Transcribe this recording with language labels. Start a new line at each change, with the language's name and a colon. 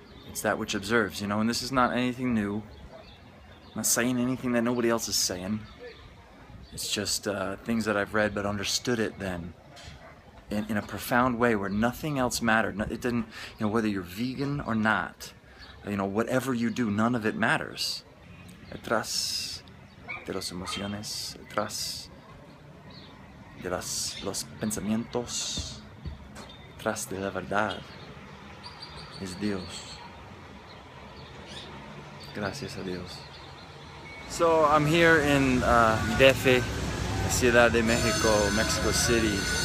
English: It's that which observes, you know, and this is not anything new. I'm not saying anything that nobody else is saying. It's just things that I've read but understood it then in a profound way where nothing else mattered. It didn't, you know, whether you're vegan or not, you know, whatever you do, none of it matters.
Spanish: Detrás de las emociones, detrás de los pensamientos, detrás de la verdad, es Dios. Gracias a Dios.
English: So I'm here in DF, Ciudad de México, Mexico City.